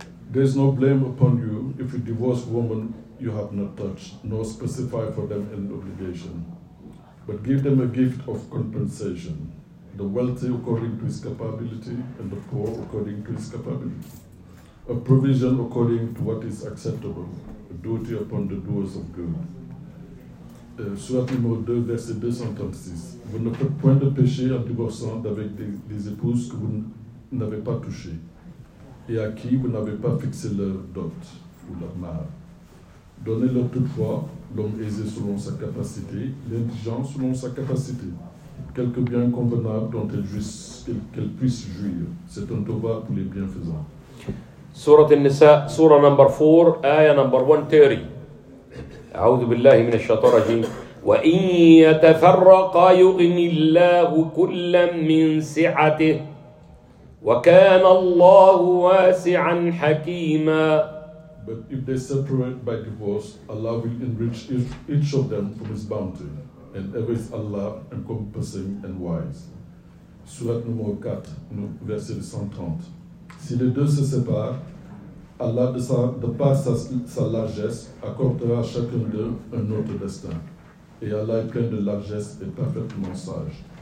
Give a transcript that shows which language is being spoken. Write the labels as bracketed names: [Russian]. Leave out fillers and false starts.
[English] There is no blame upon you if a divorced woman you have not touched, nor specify for them an obligation, but give them a gift of compensation, the wealthy according to his capability and the poor according to his capability, a provision according to what is acceptable, a duty upon the doers of good. [French] Surat al-Mu'addad, verset 236. Vous ne faites point de péché en divorçant d'avec des épouses que vous n'avez pas touchées, et à qui vous n'avez pas fixé leur dot ou leur mare. Donnez-leur toutefois l'homme aisé selon sa capacité, l'indigent selon sa capacité, quelques biens convenables dont qu'elle puisse jouir. C'est un tova pour les bienfaisants. [English] Surah Al-Nisa, Surah number 4, Ayah number 130. [Arabic] A'udhu billahi min ash-shaytan rajim. Wa in yatafarraqa yughni Allahu kullam min si'atih. وكان الله واسعا حكيما. [English] But if they separate by divorce, Allah will enrich each of them from His bounty, and ever is Allah encompassing and wise. [French] Surah numéro 4, verset 130. Si les deux se séparent, Allah de par sa largesse accordera à chacun d'eux un autre destin. Et Allah est plein de largesse et parfaitement sage.